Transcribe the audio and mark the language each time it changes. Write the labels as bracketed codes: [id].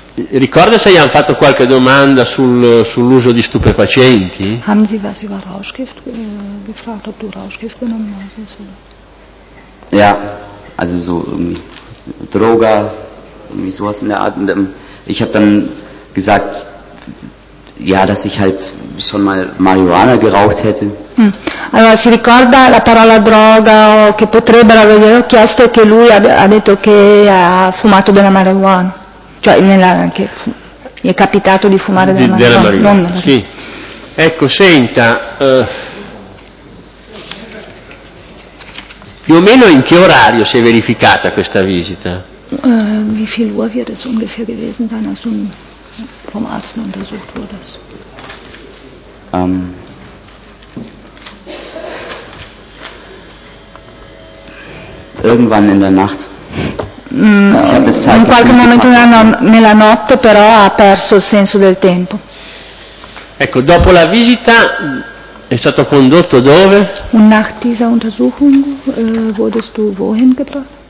[it] Ricorda se gli hanno fatto qualche domanda sull'uso di stupefacenti? [de] Haben Sie was über Rauschgift gefragt, ob du Rauschgift genommen hast? Ja, also so irgendwie Droga, irgendwie sowas in der Art. Ich habe dann gesagt, ja, dass ich halt schon mal Marihuana geraucht hätte. [it] Allora, si ricorda la parola droga o che potrebbero aver chiesto che lui ha detto che ha fumato della marijuana. Cioè, che gli è capitato di fumare della marijuana. No, sì. Ecco, senta, più o meno in che orario si è verificata questa visita? [de] Wie viel Uhr wird es ungefähr gewesen sein, als du vom Arzt untersucht wurdest? Irgendwann in der Nacht. [it] In qualche momento nella notte, però ha perso il senso del tempo. Ecco, dopo la visita è stato condotto dove? [de] Und nach dieser Untersuchung wurdest du wohin gebracht?